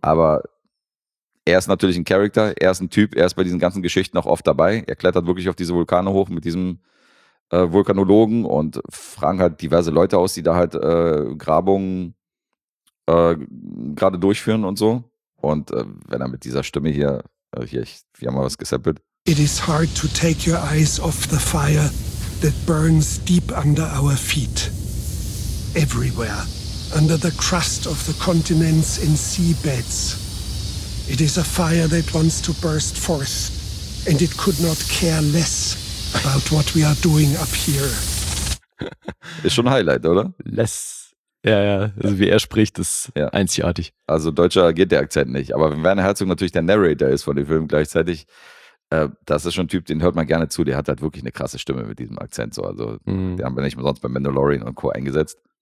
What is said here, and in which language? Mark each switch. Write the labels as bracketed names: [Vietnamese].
[German] Aber er ist natürlich ein Charakter, er ist ein Typ, er ist bei diesen ganzen Geschichten auch oft dabei. Er klettert wirklich auf diese Vulkane hoch mit diesem Vulkanologen und fragen halt diverse Leute aus, die da halt Grabungen gerade durchführen und so. Und wenn er mit dieser Stimme hier, wir haben mal was gesappelt. [English] It is hard to take your eyes off the fire that burns deep under our feet. Everywhere, under the crust of the continents and seabeds. It is a fire that wants to burst forth, and it could not care less about what we are doing up here. [German] Ist schon ein Highlight, oder? Less. Ja, ja. Also wie er spricht, ist ja einzigartig. Also deutscher geht der Akzent nicht. Aber wenn Werner Herzog natürlich der Narrator ist von dem Film gleichzeitig, das ist schon ein Typ, den hört man gerne zu. Der hat halt wirklich eine krasse Stimme mit diesem Akzent. So. Also den haben wir nicht mehr sonst bei Mandalorian und Co. eingesetzt.